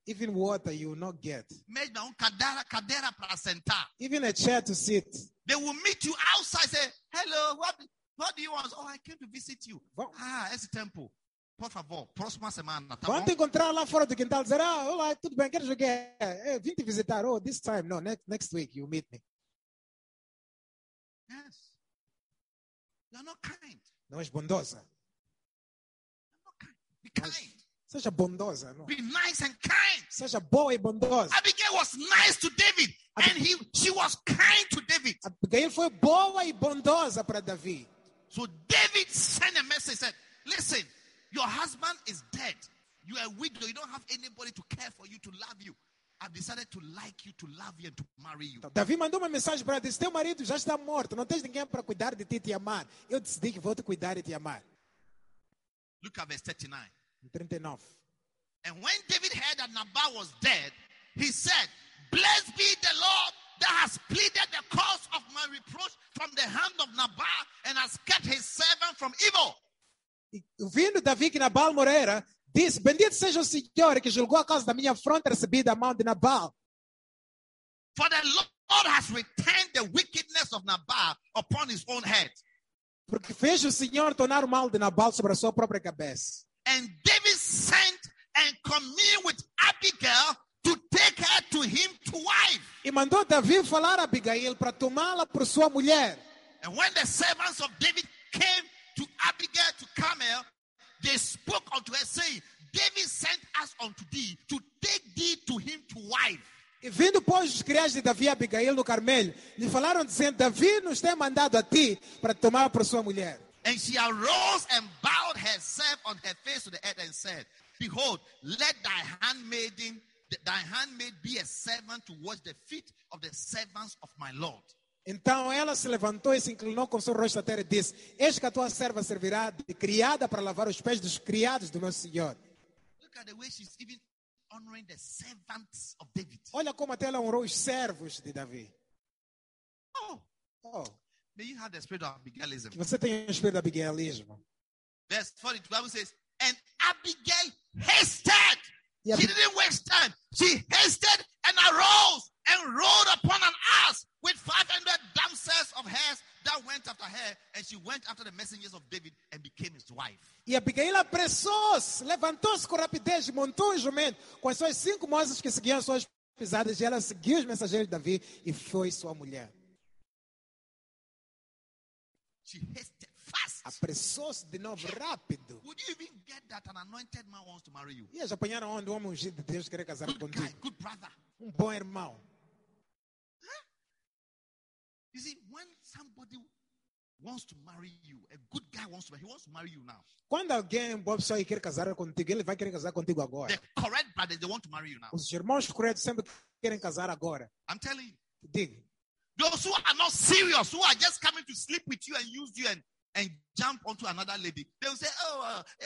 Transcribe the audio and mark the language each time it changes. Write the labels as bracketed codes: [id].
[en] Even water you will not get. [pt] Mesma cadeira para sentar. [en] Even a chair to sit. They will meet you outside. Say, hello, what do you want? Oh, I came to visit you. [pt] Bom. Ah, esse tempo. Por favor, próxima semana, tá bom? Vão te encontrar lá fora do quintal, dizer, ah, olá, tudo bem, quero jogar. Vim te visitar, [en] oh, this time, no, next week, you meet me. Yes. You're not kind. [pt] Não és bondosa. [en] You're not kind. Be kind. [pt] Seja bondosa, não. [en] Be nice and kind. [pt] Seja boa e bondosa. [en] Abigail was nice to David. And she was kind to David. [pt] Abigail foi boa e bondosa para Davi. [en] So David sent a message, said, listen, your husband is dead. You are a widow. You don't have anybody to care for you, to love you. I've decided to like you, to love you, and to marry you. [pt] Então, Davi mandou uma mensagem para ti. Teu marido já está morto. Não tens ninguém para cuidar de ti e te amar. Eu decidi que vou te cuidar e te amar. [en] Look at verse 39. 39. And when David heard that Nabal was dead, he said, blessed be the Lord that has pleaded the cause of my reproach from the hand of Nabal and has kept his servant from evil. [pt] Vindo Davi que Nabal morrera, disse, bendito seja o Senhor que julgou a causa da minha afronta recebida a mão de Nabal. [en] For the Lord has returned the wickedness of Nabal upon his own head. [pt] Porque fez o Senhor tornar o mal de Nabal sobre a sua própria cabeça. [en] And David sent and communed with Abigail to take her to him to wife. [pt] E mandou Davi falar a Abigail para tomá-la por sua mulher. [en] And when the servants of David came to Abigail to Carmel, they spoke unto her, saying, David sent us unto thee to take thee to him to wife. [pt] E vindo, pois, os criados de Davi e Abigail no Carmelo, lhe falaram, dizendo, Davi nos tem mandado a ti para tomar por sua mulher. [en] And she arose and bowed herself on her face to the earth and said, behold, let thy handmaid be a servant to wash the feet of the servants of my Lord. [pt] Então ela se levantou e se inclinou com seu rosto à terra e disse, eis que a tua serva servirá de criada para lavar os pés dos criados do meu Senhor. [en] Look at the way she's even honoring the servants of David. [pt] Olha como até ela honrou os servos de Davi. Oh. Oh. [en] May you have the spirit of Abigailism. [pt] Você tem o espírito de Abigailism. [en] Verse 42, Bible says, and Abigail hasted. Yeah, she didn't waste time. She hasted and arose and rode upon an ass with 500 damsels of hers that went after her, and she went after the messengers of David and became his wife. [pt] E Abigail apressou-se, levantou-se com rapidez, montou um jumento com as suas cinco moças que seguiam as suas pisadas, e ela seguiu os mensageiros de Davi e foi sua mulher. [en] She hasted fast. [pt] Apressou-se de novo rápido. [en] Would you even get that an anointed man wants to marry you? [pt] Yes, apanharam onde o homem ungido de Deus quer casar contigo. [en] Good guy, good brother. [pt] Um bom irmão. Huh? [en] You see, when somebody wants to marry you, a good guy wants to marry you, he wants to marry you now. [pt] Quando alguém, boa pessoa, quer casar contigo, ele vai querer casar contigo agora. [en] The correct brothers, they want to marry you now. [pt] Os irmãos corretos sempre querem casar agora. [en] I'm telling you. [pt] Digo. [en] Those who are not serious, who are just coming to sleep with you and use you and jump onto another lady, they will say, oh,